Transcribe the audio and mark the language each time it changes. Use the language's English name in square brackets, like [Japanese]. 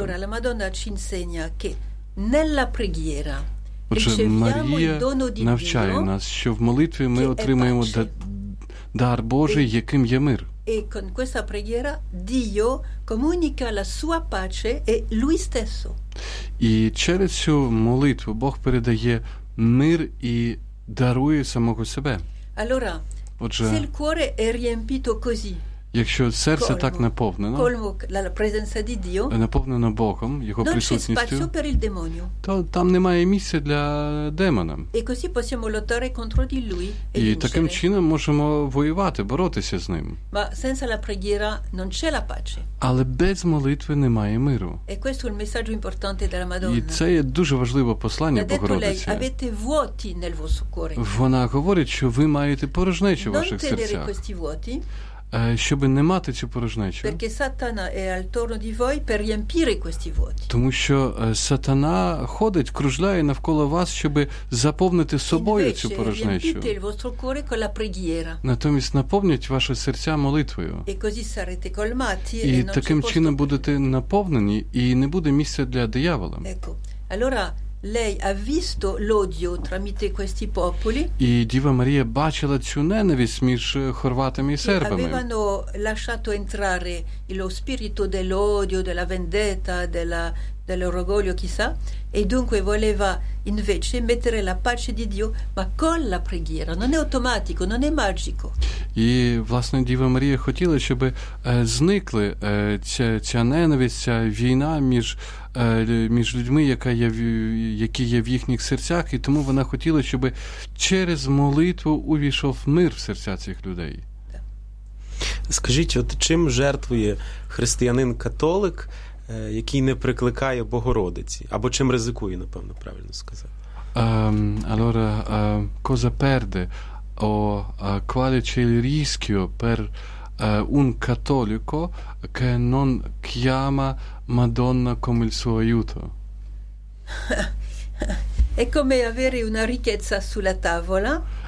[Italian] Allora, la Madonna ci insegna che nella preghiera riceviamo il dono di Dio. [Ukrainian] Навчає нас, що в молитві ми отримуємо дар Божий, яким є мир. [Italian] E con questa preghiera Dio comunica la sua pace e lui stesso. [Ukrainian] І через цю молитву Бог передає мир і дарує самого себе. [Italian] Allora, se il cuore è riempito così, [Ukrainian] Якщо серце так наповнено, [Italian] colmo la presenza di Dio, [Ukrainian] наповнено Богом, його присутністю, [Italian] c'è spazio per il demonio. [Ukrainian] То там немає місця для демона. [Italian] E così possiamo lottare contro di lui e [Ukrainian] vincere. І таким чином можемо воювати, боротися з ним. [Italian] Ma senza la preghiera non c'è la pace. [Ukrainian] Але без молитви немає миру. [Italian] E questo è il messaggio importante della Madonna. [Ukrainian] І це є дуже важливе послання Богородиці. [Italian] Avete vuoti nel vostro cuore. [Ukrainian] Вона говорить, що ви маєте порожнечі в ваших серцях. [Italian] Non tenere questi vuoti. [Ukrainian] Щоб не мати цю порожнечу. [Italian] Perché Satana è attorno di voi per riempire questi vuoti. [Ukrainian] Тому що Сатана ходить, кружляє навколо вас, щоб заповнити собою [Italian] invece, [Ukrainian] цю порожнечу. [Italian] Invece, riempite il vostro cuore con la preghiera. [Ukrainian] Натомість наповніть ваше серця молитвою. [Italian] E così sarete colmati. [Ukrainian] І таким чином будете наповнені, і не буде місця для диявола. [Italian] Ecco. Allora, lei ha visto l'odio tramite questi popoli. [Ukrainian] І Діва Марія бачила цю ненависть між хорватами і сербами. [Italian] Avevano lasciato entrare lo spirito dell'odio, della vendetta, dell'orgoglio, chissà, e dunque voleva invece mettere la pace di Dio, ma con la preghiera. Non è automatico, non è magico. [Ukrainian] І, власне, Діва Марія хотіла, щоб зникли ця ненависть, ця війна між людьми, які є в їхніх серцях, і тому вона хотіла, щоб через молитву увійшов мир в серця цих людей. Скажіть, от чим жертвує християнин-католик, який не прикликає Богородиці? Або чим ризикує, напевно, правильно сказати? [Italian] Allora, cosa perde o quale c'è il rischio per un cattolico che non chiama Madonna come il suo aiuto? È come avere una ricchezza sulla tavola.